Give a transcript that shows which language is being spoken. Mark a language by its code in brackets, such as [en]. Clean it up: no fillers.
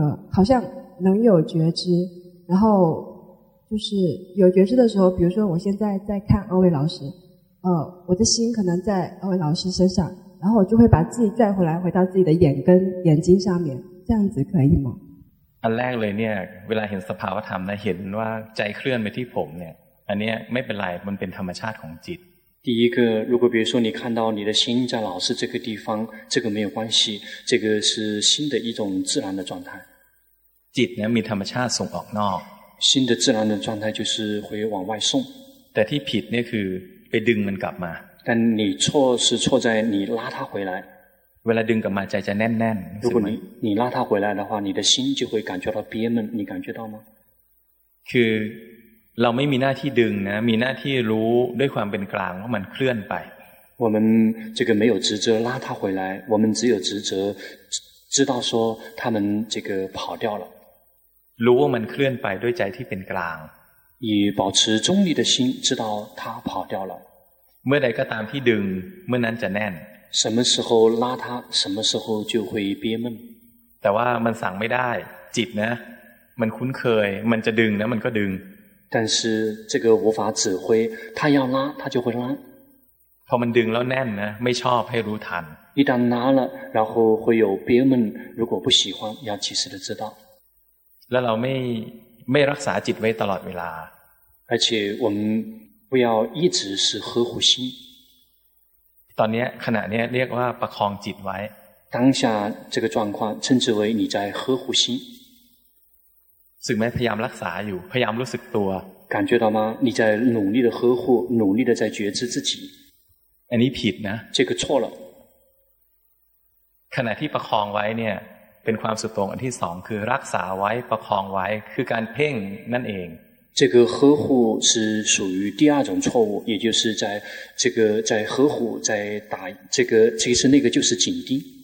[zh] 好像能有觉知然后就是有觉知的时候比如说我现在在看二位老师我的心可能在二位老师身上然后我就会把自己拽回来回到自己的眼根眼睛上面这样子可以吗 [th] อันแรกเลยเนี่ยเวลาเห็นสภาวะธรรมนะเห็นว่าใจเคลื่อนไปที่ผมเนี่ยอันเนี้ยไม่เป็นไรมันเป็นธรรมชาติของจิต [zh] 第一个如果比如说你看到你的心在老师这个地方这个没有关系这个是心的一种自然的状态 [th] จิตเนี่ยมีธรรมชาติส่งออกนอก [zh] 心的自然的状态就是会往外送 [th] แต่ที่ผิดเนี่ยคือไปดึงมันกลับมา [zh] 但你错是错在你拉它回来 [th] เวลาดึงกลับมาใจจะแน่นแน่น ถ้าคุณ [zh] 你拉他回来的话你的心就会感觉到憋闷你感觉到吗 [th] คือเราไม่มีหน้าที่ดึงนะมีหน้าที่รู้ด้วยความเป็นกลางว่ามันเคลื่อนไป [zh] 我们这个没有职责拉他回来我们只有职责知道说他们这个跑掉了 [th] รู้ว่ามันเคลื่อนไปด้วยใจที่เป็นกลาง [zh] 以保持中立的心知道他跑掉了 [th] เมื่อใดก็ตามที่ดึงเมื่อนั้นจะแน่น [zh] 什么时候拉他什么时候就会憋闷 [th] แต่ว่ามันสั่งไม่ได้จิตนะมันคุ้นเคยมันจะดึงนะมันก็ดึง [zh] 但是这个无法指挥他要拉他就会拉 [th] พอมันดึงแล้วแน่นนะไม่ชอบให้รู้ทัน [zh] 一旦拉了然后会有憋闷如果不喜欢要及时的知道 [th] แล้วเราไม่รักษาจิตไว้ตลอดเวลา [zh] 而且我们不要一直是呵护心 [th] ตอนนี้ขณะนี้เรียกว่าประคองจิตไว้ [zh] 当下这个状况称之为你在呵护心 [th] สึกไหมพยายามรักษาอยู่พยายามรู้สึกตัว [zh] 感觉到吗你在努力的呵护努力的在觉知自己 [th] อันนี้ผิดนะ [zh] 这个错了 [th] ขณะที่ประคองไว้เนี่ยเป็นความสุดตรงอันที่สองคือรักษาไว้ประคองไว้คือการเพ่งนั่นเอง [zh] 这个呵护是属于第二种错误也就是在这个在呵护在打这个其实那个就是紧盯